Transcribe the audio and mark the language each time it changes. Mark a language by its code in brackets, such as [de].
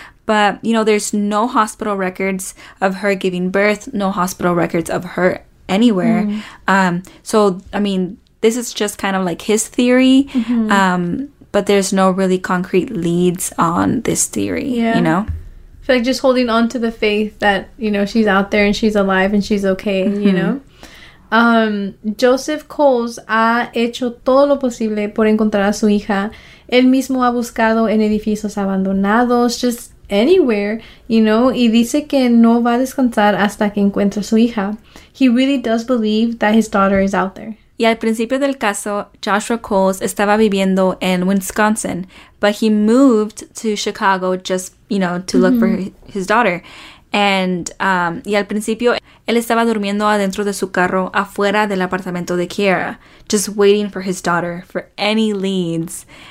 [en] But, you know, there's no hospital records of her giving birth, no hospital records of her anywhere. Mm-hmm. So, I mean, this is just kind of like his theory. Mm-hmm. But there's no really concrete leads on this theory, you know? I feel like just holding on to the faith that, you know, she's out there and she's alive and she's okay, you know? [es] Joseph Coles ha hecho todo lo posible por encontrar a su hija. Él mismo ha buscado en edificios abandonados, [en] just anywhere, you know, [es] y dice que no va a descansar hasta que encuentre su hija. [en] He really does believe that his daughter is out there. [es] Y al principio del caso, Joshua Coles estaba viviendo en Wisconsin, [en] but he moved to Chicago just, you know, to look for his daughter. [es] And y al principio, él estaba durmiendo adentro de su carro afuera del apartamento de Kiara, [en] just waiting for his daughter, for any leads.